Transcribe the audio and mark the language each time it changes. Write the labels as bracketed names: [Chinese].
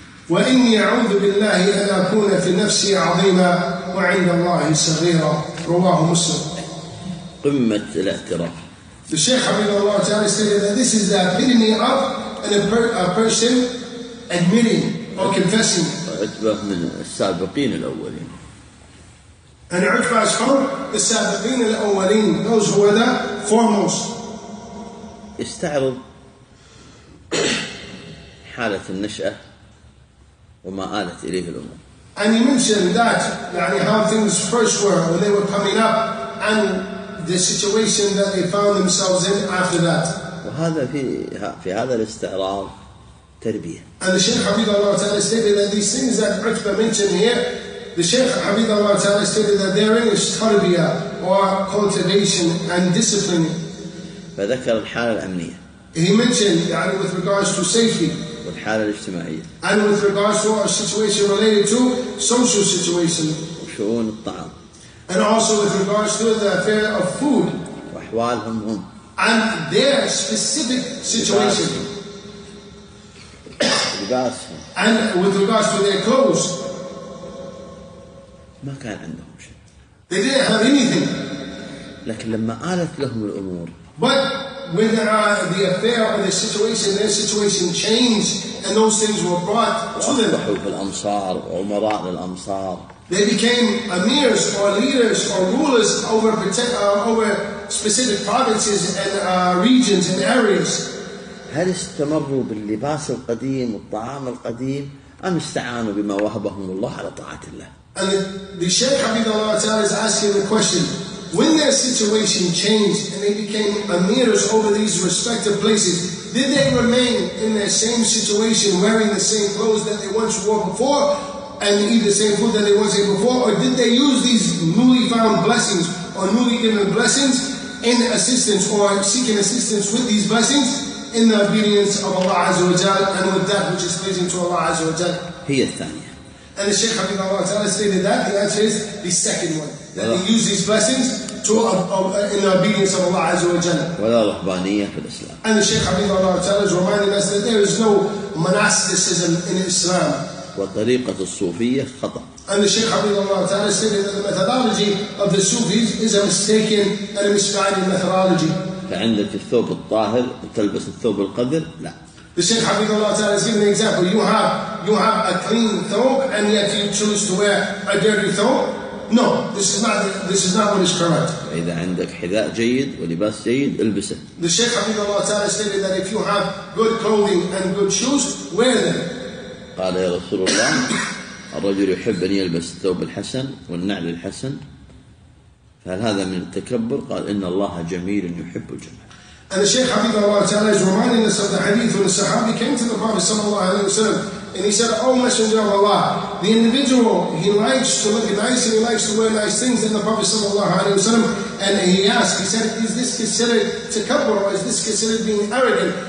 [Arabic] وإني أعوذ بالله أن أكون في نفسي عظيما وعند الله صغيرا رواه مسلم قمة الاعتراف. [English] The Shaykh Hafidhullah ta'ala stated that this is the epitome of a person admitting or confessing. [Arabic] عتبة من السابقين الأولين. [English] And Uqba is from the Sabiqeen al-Awwaleen, those who were the foremost. [Arabic] استعرض حالة النشأة وما آلت إليه الأمة. [English] And he mentioned that, يعني how things first were when they were coming up and the situation that they found themselves in after that. [Arabic] وهذا في هذا الاستعراض تربية. [English] And the Shaykh Hafidh Allah Ta'ala stated that these things that Uqba mentioned here, the Shaykh Hafidh Allah Ta'ala stated that therein is tarbiya or cultivation and discipline. [Arabic] فذكر الحالة الأمنية. [English] He mentioned يعني with regards to safety. [Arabic] والحالة الاجتماعية. [English] And with regards to a situation related to social situation. [Arabic] وشؤون الطعام. [English] And also with regards to the affair of food. [Arabic] وأحوالهم هم. [English] And their specific situation. [Arabic] لباسهم. [English] And with regards to their clothes. [Arabic] ما كان عندهم شيء. [English] They didn't have anything. [Arabic] لكن لما آلت لهم الأمور. [English] But when the affair or the situation, their situation changed and those things were brought to them. [Arabic] الأمصار وأمراء للأمصار. [English] They became emirs or leaders or rulers over specific provinces and regions and areas. [Arabic] هل استمروا باللباس القديم والطعام القديم أم استعانوا بما وهبهم الله على طاعة الله؟ [English] And the Shaykh Hafidh Allah Ta'ala is asking the question. When their situation changed and they became emirs over these respective places, did they remain in their same situation wearing the same clothes that they once wore before and eat the same food that they once ate before? Or did they use these newly found blessings or newly given blessings in assistance or seeking assistance with these blessings in the obedience of Allah Azza wa Jal and with that which is pleasing to Allah Azza wa Jal? [Arabic] He is thani. [English] And the Shaykh Hafidh Allah Ta'ala stated that the answer is the second one. That they use these blessings to in the obedience of Allah Azza wa Jalla. And the Shaykh Hafidh Allah Ta'ala is reminding us that there is no monasticism in Islam. [Arabic] وطريقة الصوفية خطأ. [English] And the Shaykh Hafidh Allah Ta'ala stated that the methodology of the Sufis is a mistaken and a misguided methodology. [Arabic] فعندك الثوب الطاهر تلبس الثوب القذر؟ لا. [English] The Shaykh Hafidh Allah Ta'ala is giving an example. You have a clean thawb and yet you choose to wear a dirty thawb. No, this is not what is correct. [Arabic] إذا عندك حذاء جيد ولباس جيد البسه. [English] The Shaykh Hafidh Allah Ta'ala stated that if you have good clothing and good shoes, wear them. [Arabic] قال يا رسول الله الرجل يحب أن يلبس الثوب الحسن والنعل الحسن فهل هذا من التكبر؟ قال إن الله جميل يحب الجمال. [English] And the Shaykh Hafidh Allah Ta'ala is reminding us of the hadith when the Sahabi came to the Prophet sallallahu alayhi wa sallam and he said, O Messenger of Allah, the individual, he likes to look nice and he likes to wear nice things. And the Prophet sallallahu alayhi wa sallam, and he asked, he said, is this considered takabbur or is this considered being arrogant?